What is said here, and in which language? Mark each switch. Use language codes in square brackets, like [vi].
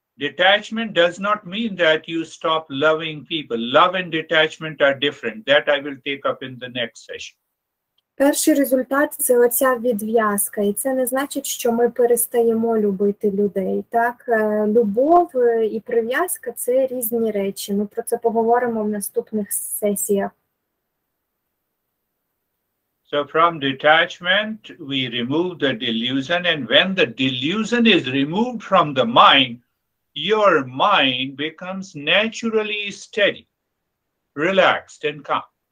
[en] Detachment does not mean that you stop loving people. Love and detachment are different. That I will take up in the next session. [uk] Перший результат – це оця відв'язка. І це не значить, що ми перестаємо любити людей. Так, любов і прив'язка – це різні речі. Ми про це поговоримо в наступних сесіях. [en] So from detachment, we remove the delusion, and when the delusion is removed from the mind, your mind becomes naturally steady, relaxed, and calm.